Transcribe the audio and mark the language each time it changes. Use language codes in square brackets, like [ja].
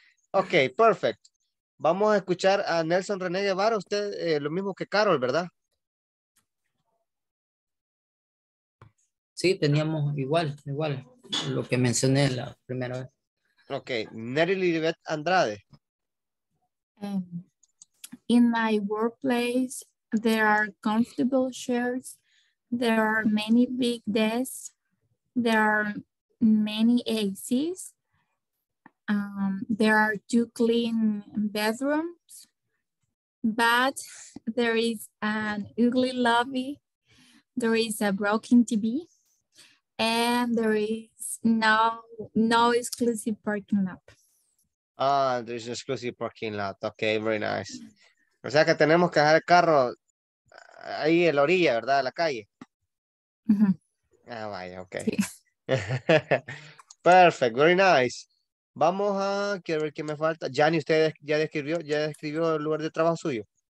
[es] Ok, perfecto. Vamos a escuchar a Nelson René Guevara, usted lo mismo que Carol, ¿verdad? Sí, teníamos igual, lo que mencioné la primera vez. Ok, Nery Lilibet Andrade. [en] In my workplace, there are comfortable chairs, there are many big desks, there are many ACs, there are two clean bathrooms, but there is an ugly lobby, there is a broken TV, and there is no exclusive parking lot. Ah, there's an exclusive parking lot. Okay, very nice. [es] O sea que tenemos que dejar el carro ahí en la orilla, ¿verdad? A la calle. Mm-hmm. [en] Ah, vaya, okay. Sí. Perfect, very nice. [es] Vamos a, quiero ver qué me falta. Jani, usted ya describió el lugar de trabajo suyo.